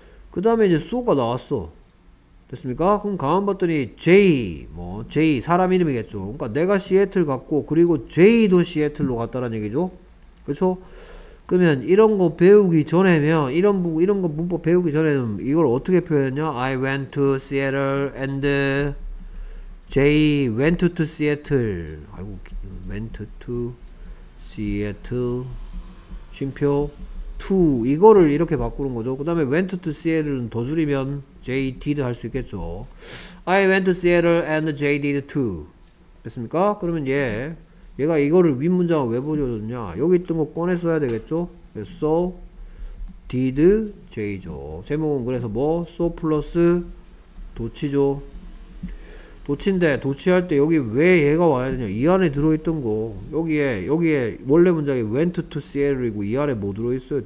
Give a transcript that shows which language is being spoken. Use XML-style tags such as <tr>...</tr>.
<ko>그 다음에 이제 so가 나왔어. 됐습니까? 그럼 가만 봤더니 J, 뭐 J 사람 이름이겠죠. 그러니까 내가 시애틀 갔고 그리고 J도 시애틀로 갔다라는 얘기죠. 그렇죠? 그러면 이런 거 배우기 전에면 이런 거 문법 배우기 전에는 이걸 어떻게 표현했냐?</ko> <en>I went to Seattle and J went to Seattle.</en> <ko>아이고,</ko> <en>went to Seattle.</en> <ko>쉼표 to 이거를 이렇게 바꾸는 거죠. 그 다음에</ko> <en>went to Seattle</en> <ko>은 더 줄이면</ko> <en>J did</en> <ko>할 수 있겠죠.</ko> <en>I went to Seattle and J did too.</en> <ko>됐습니까? 그러면 얘가 이거를 윗문장을 왜 보여줬냐, 여기 있던 거 꺼내 써야 되겠죠.</ko> <en>so did J죠.</en> <ko>제목은 그래서 뭐 so 플러스 도치죠. 도치인데 도치할 때 여기 왜 얘가 와야 되냐, 이 안에 들어있던 거 여기에 원래 문장이</ko> <en>went to Seattle</en> <ko>이고 이 안에 뭐 들어있어요?</ko>